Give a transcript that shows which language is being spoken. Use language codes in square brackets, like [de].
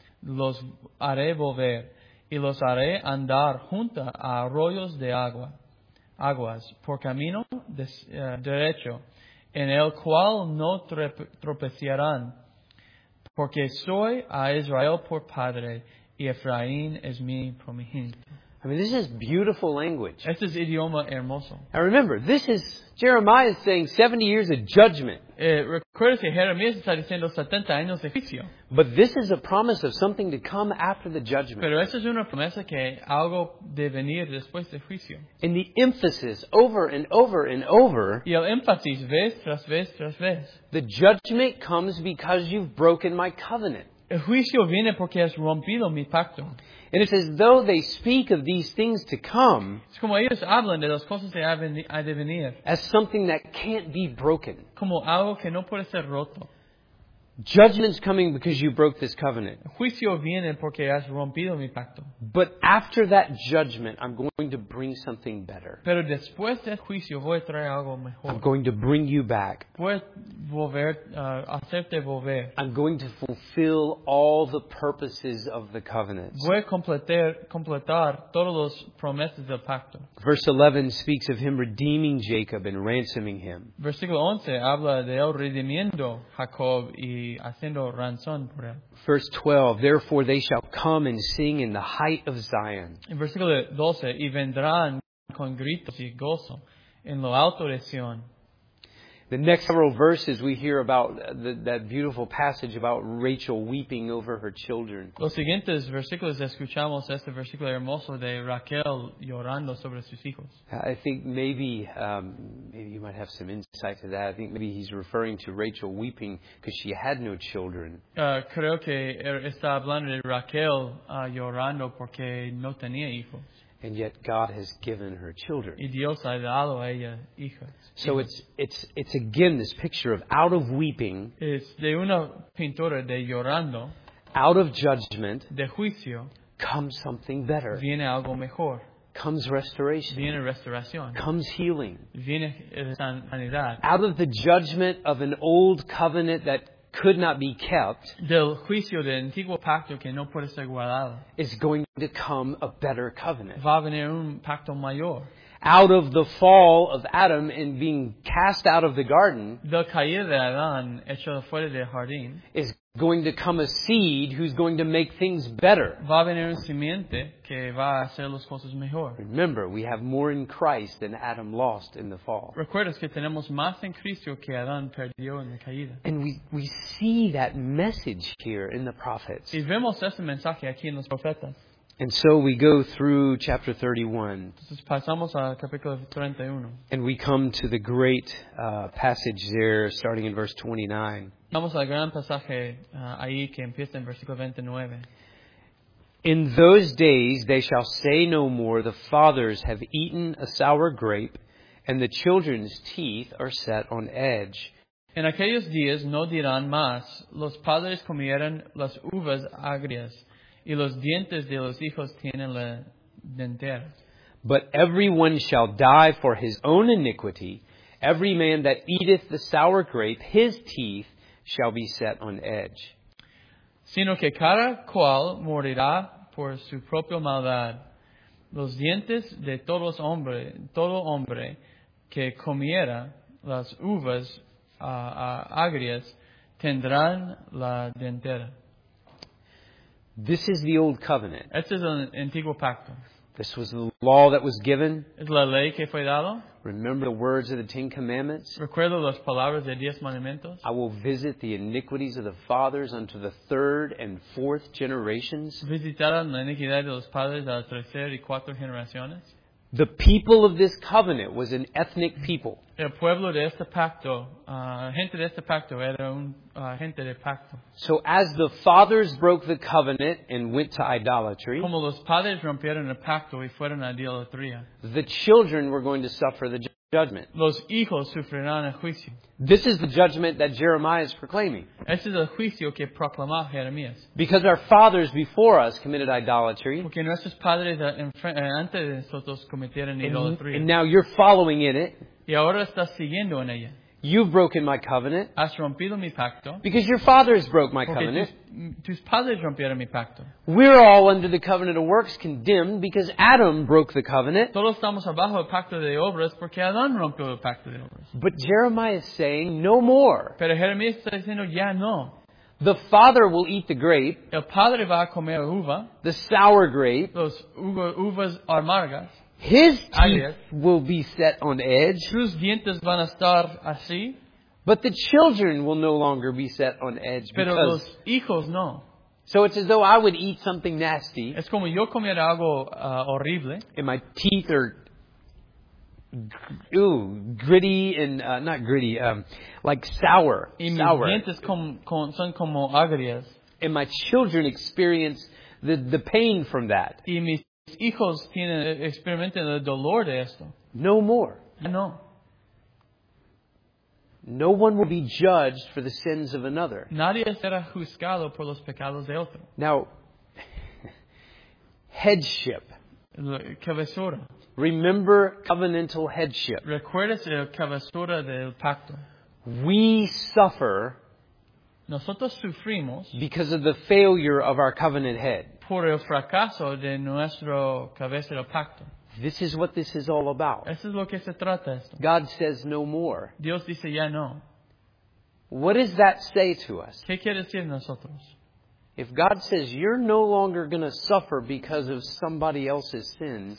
[es] Los haré volver, y los haré andar junto a arroyos de aguas, por camino derecho, en el cual no tropezarán, porque soy a Israel por padre, y Efraín es mi primogénito. [en] I mean, this is beautiful language. [es] Este es idioma hermoso. [en] Now remember, this is Jeremiah saying 70 years of judgment. [es] Recuérdese, Jeremías está diciendo 70 años de juicio. [en] But this is a promise of something to come after the judgment. [es] Pero esta es una promesa que algo de venir después de juicio. [en] And the emphasis over and over and over. [es] Y el énfasis vez tras vez tras vez. [en] The judgment comes because you've broken my covenant. [es] El juicio viene porque has rompido mi pacto. [en] And it's as though they speak of these things to come. [es] Es como ellos hablan de las cosas que han de venir. [en] As something that can't be broken. [es] Como algo que no puede ser roto. [en] Judgment's coming because you broke this covenant. [es] El juicio viene porque has rompido mi pacto. [en] But after that judgment, I'm going to bring something better. [es] Pero después del juicio voy a traer algo mejor. [en] I'm going to bring you back. [es] Voy a hacerte volver. [en] I'm going to fulfill all the purposes of the covenant. [es] Voy a completar todas las promesas del pacto. [en] Verse 11 speaks of him redeeming Jacob and ransoming him. [es] Versículo 11 habla de él redimiendo Jacob y haciendo ransom por él. [en] Verse 12, therefore they shall come and sing in the height of Zion. [es] En versículo 12, y vendrán con gritos y gozo en lo alto de Sion. [en] The next several verses we hear about that beautiful passage about Rachel weeping over her children. [es] Los siguientes versículos escuchamos este versículo hermoso de Raquel llorando sobre sus hijos. [en] I think maybe you might have some insight to that. I think maybe he's referring to Rachel weeping because she had no children. [es] Creo que está hablando de Raquel llorando porque no tenía hijos. [en] And yet God has given her children. [es] Y Dios ha dado a ella hijos. [en] So it's again this picture of out of weeping. [es] Es de una pintura de llorando. [en] Out of judgment. [es] De juicio. [en] Comes something better. [es] Viene algo mejor. [en] Comes restoration. [es] Viene restauración. [en] Comes healing. [es] Viene sanidad. [en] Out of the judgment of an old covenant that could not be kept. [es] Del juicio del antiguo pacto que no puede ser guardado. [en] Is going to come a better covenant. [es] Va a venir un pacto mayor. [en] Out of the fall of Adam and being cast out of the garden. [es] Del caída de Adán hecho fuera del jardín. [en] Is going to come a seed who's going to make things better. [es] Va a venir un simiente que va a hacer las cosas mejor. [en] Remember, we have more in Christ than Adam lost in the fall. [es] Recuerdas que tenemos más en Cristo que Adán perdió en la caída. [en] And we see that message here in the prophets. [es] Y vemos ese mensaje aquí en los profetas. [en] And so we go through chapter 31. [es] Entonces pasamos al capítulo 31. [en] And we come to the great passage there, starting in verse 29. [es] Vamos al gran pasaje ahí que empieza en versículo 29. [en] In those days they shall say no more, the fathers have eaten a sour grape, and the children's teeth are set on edge. [es] En aquellos días no dirán más, los padres comieron las uvas agrias, y los dientes de los hijos tienen la dentera. [en] But everyone shall die for his own iniquity. Every man that eateth the sour grape, his teeth shall be set on edge. [es] Sino que cada cual morirá por su propia maldad. Los dientes de todo hombre que comiera las uvas agrias tendrán la dentera. [en] This is the old covenant. [es] Este es el antiguo pacto. [en] This was the law that was given. [es] Es la ley que fue dado. [en] Remember the words of the Ten Commandments. [es] Recuerdo las palabras de diez mandamientos. [en] I will visit the iniquities of the fathers unto the third and fourth generations. [es] Visitarán la iniquidad de los padres a la tercera y cuarta generaciones. [en] The people of this covenant was an ethnic people. [es] El pueblo de este pacto, gente de este pacto era un gente de pacto. [en] So as the fathers broke the covenant and went to idolatry, [es] como los padres rompieron el pacto y fueron a idolatría, [en] the children were going to suffer the judgment. [es] Los hijos sufrirán el juicio. [en] This is the judgment that Jeremiah is proclaiming. [es] Este es el juicio que proclama Jeremías. [en] Because our fathers before us committed idolatry. [es] Porque nuestros padres antes de nosotros cometieron idolatría. [en] And now you're following in it. [es] Y ahora estás siguiendo en ella. [en] You've broken my covenant. [es] Has rompido mi pacto. [en] Because your fathers broke my covenant. [es] Tus padres rompieron mi pacto. [en] We're all under the covenant of works condemned because Adam broke the covenant. [es] Todos estamos abajo del pacto de obras porque Adán rompió el pacto de obras. [en] But Jeremiah is saying no more. [es] Pero Jeremías está diciendo ya no. [en] The father will eat the grape. [es] El padre va a comer uva. [en] The sour grape. [es] Los uvas amargas. [en] His teeth will be set on edge. [es] Sus dientes van a estar así. [en] But the children will no longer be set on edge. [es] Pero [en] because [es] los hijos no. [en] So it's as though I would eat something nasty. [es] Es como yo comiera algo horrible. [en] And my teeth are gritty and not gritty, like sour. [es] Y [en] sour. [es] Mis dientes son como agrias. [en] And my children experience the pain from that. [es] Y mis hijos tienen experimentan el dolor de esto. [en] No more. [es] No. [en] No one will be judged for the sins of another. [es] Nadie será juzgado por los pecados de otro. [en] Now, headship. [es] La cabezura. [en] Remember covenantal headship. [es] Recuerdas el cabezura del pacto. [en] We suffer. [es] Nosotros sufrimos. [en] Because of the failure of our covenant head. [es] Por el fracaso de nuestro cabeza del pacto. [en] This is what this is all about. [es] Eso es lo que se trata esto. [en] God says no more. [es] Dios dice ya no. [en] What does that say to us? [es] ¿Qué quiere decir nosotros? [en] If God says you're no longer going to suffer because of somebody else's sins.